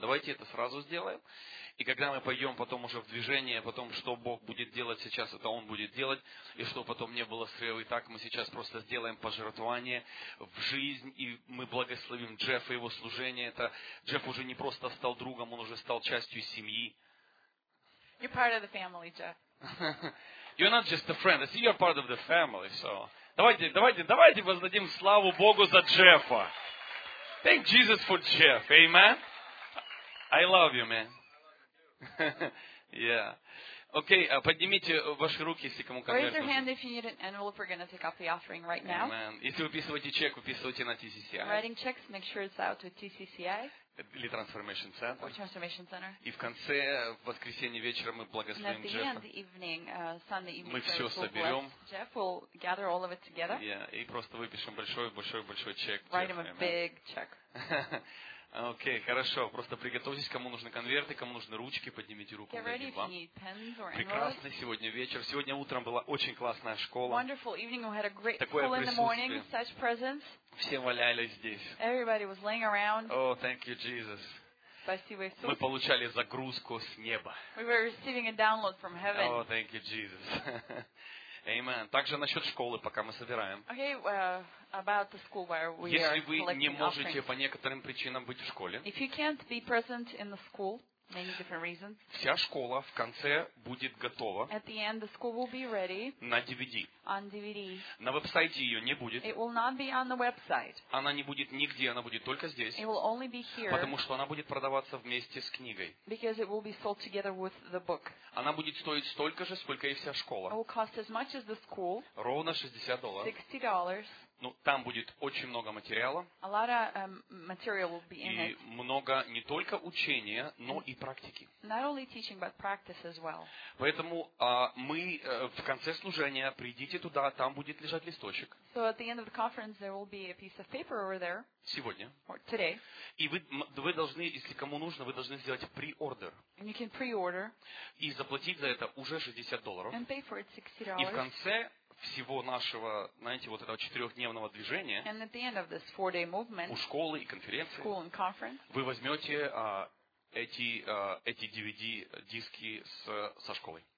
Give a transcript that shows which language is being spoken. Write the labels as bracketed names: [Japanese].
[Russian] Давайте это сразу сделаем. И когда мы пойдем потом уже в движение, потом что Бог будет делать сейчас, это Он будет делать, и что потом не было срыва, и так мы сейчас просто сделаем пожертвование в жизнь, и мы благословим Джеффа и его служение. Это Джефф уже не просто стал другом, он уже стал частью семьи. [English] You're part of the family, Jeff. You're not just a friend. I see you're part of the family. [Russian] So, давайте воздадим славу Богу за Джеффа. [English] Thank Jesus for Jeff. Amen. I love you, man. Yeah. [Russian] Okay, поднимите ваши руки, если кому конверт. [English] Raise your hand if you need an envelope. We're going to take off the offering right now. Amen. [Russian] Если выписываете чек, выписывайте на TCCI. [English] Writing checks, make sure it's out with TCCI. [Russian] Или Transformation Center. [English] Or Transformation Center. [Russian] И в конце, в воскресенье вечером, мы благословим Джеффа. [English] And at the end, evening, Sunday evening, [Russian] мы все соберем. [English] Jeff, we'll gather all of it together. [Russian] Yeah, и просто выпишем большой чек. [English] Write him a big check. [Russian] Окей, хорошо. Просто приготовьтесь, кому нужны конверты, кому нужны ручки, поднимите руку. Прекрасный сегодня вечер. Сегодня утром была очень классная школа. [English] Wonderful evening. We had a great [Russian] такое [English] school [Russian] присутствие. [English] In the morning, such presence. [Russian] Все валялись здесь. [English] Everybody was laying around. Oh, thank you, Jesus. [Russian] Спасибо, Иисус. Мы получали загрузку с неба. [English] We were receiving a download from heaven. Oh, thank you, Jesus. Amen. [Russian] Также насчет школы, пока мы собираем. [English] Okay, about the school where we [Russian] если [English] are [Russian] вы [English] collecting [Russian] не можете [English] offerings. [Russian] По некоторым причинам быть в школе, [English] if you can't be present in the school, many different reasons, [Russian] вся школа в конце будет готова. [English] At the end, the school will be ready. [Russian] На DVD. [English] On DVD. [Russian] На веб-сайте ее не будет. [English] It will not be on the website. [Russian] Она не будет нигде, она будет только здесь. [English] It will only be here. [Russian] Потому что она будет продаваться вместе с книгой. [English] Because it will be sold together with the book. [Russian] Она будет стоить столько же, сколько и вся школа. [English] It will cost as much as the school. [Russian] Ровно $60. [English] $60. [Russian] Ну, там будет очень много материала. [English] A lot of material will be in it. [Russian] И много не только учения, но и практики. [English] Not only teaching, but practice as well. [Russian] Поэтому мы в конце служения придите туда, там будет лежать листочек. [English] So at the end of the conference there will be a piece of paper over there. [Russian] Сегодня. [English] Or today. [Russian] И вы должны, если кому нужно, вы должны сделать pre-order. [English] And you can pre-order. [Russian] И заплатить за это уже $60. [English] And pay for it $60. [Russian] И в конце всего нашего, знаете, вот этого четырехдневного движения [English] movement, [Russian] у школы и конференции вы возьмете эти DVD-диски со школой.